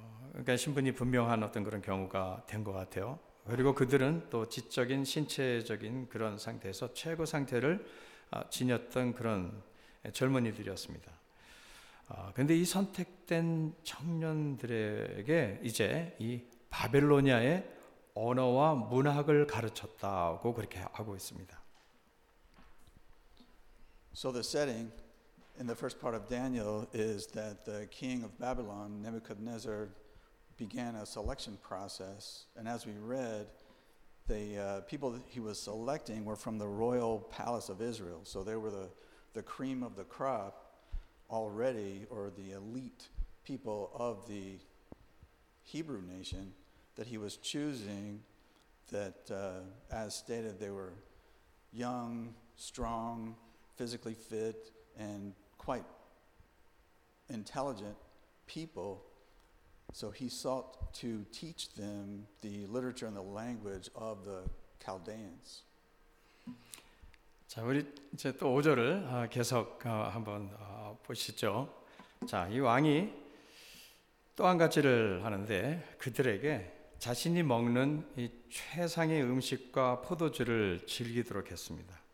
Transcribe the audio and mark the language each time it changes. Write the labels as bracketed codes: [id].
[ko] 그러니까 신분이 분명한 어떤 그런 경우가 된 것 같아요. 그리고 그들은 또 지적인 신체적인 그런 상태에서 최고 상태를 지녔던 그런 젊은이들이었습니다. 그런데 이 선택된 청년들에게 이제 이 바벨로니아의 언어와 문학을 가르쳤다고 그렇게 하고 있습니다. [en] So the setting in the first part of Daniel is that the king of Babylon, Nebuchadnezzar, began a selection process. And as we read, the people that he was selecting were from the royal palace of Israel. So they were the cream of the crop already, or the elite people of the Hebrew nation that he was choosing, that as stated, they were young, strong, physically fit, and quite intelligent people. So he sought to teach them the literature and the language of the Chaldeans. [ko] 자, 우리 이제 또 5절을 계속 한번 보시죠. 자, 이 왕이 또 한 가지를 하는데 그들에게 자신이 먹는 이 최상의 음식과 포도주를 즐기도록 했습니다.